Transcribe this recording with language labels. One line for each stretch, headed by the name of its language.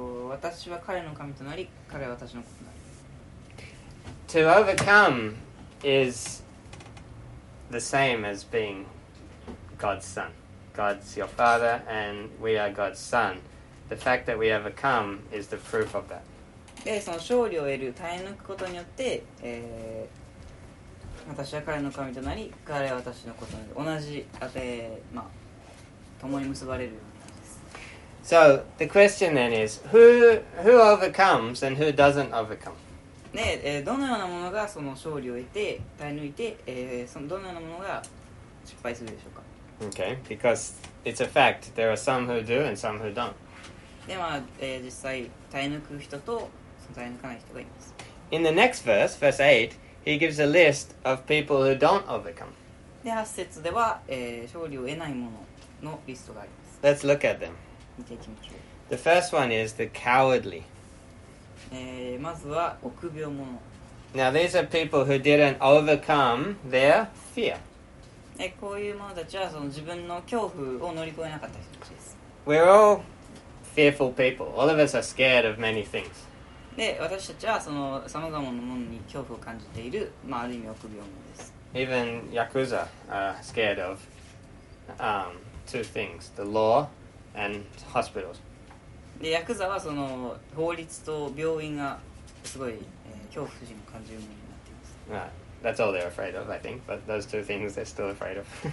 Japanese: 私は彼の神となり、彼は私の子となる。
English: To overcome is the same as being God's son. God's your father and we are God's son. The fact that we overcome is the proof of that.
Japanese: で、その勝利を得る、耐え抜くことによって、私は彼の神となり、彼は私のことで、同じ、まあ、共に結ばれるようになります。
English: So, the question then is, who overcomes and who doesn't overcome?
Japanese: で、どのようなものがその勝利を得て、耐え抜いて、どのようなものが失敗するでしょうか?
English: Okay, because it's a fact. There are some who do and some who don't.
Japanese: で、まあ、実際、耐え抜く人と、その耐え抜かない人がいます。
English: In the next verse, verse 8,He gives a list of people who don't overcome.
Japanese: で、8節では、勝利を得ないもののリストがあります。
English: Let's look at them.
Japanese: 見ていきましょう。
English: The first one is the cowardly.
Japanese: まずは臆病者。
English: Now these are people who didn't overcome their fear.
Japanese: こういう者たちはその自分の恐怖を乗り越えなかった人たちです。
English: We're all fearful people. All of us are scared of many things.
Japanese: で、私たちはその様々なものに恐怖を感じている、まあ、ある意味臆病者です。
English: Even Yakuza are scared of two things, the law and hospitals.
Japanese: で、ヤクザはその法律と病院がすごい、恐怖心を感じるものになっています。
English: Right. That's all they're afraid of, I think, but those two things they're still afraid of.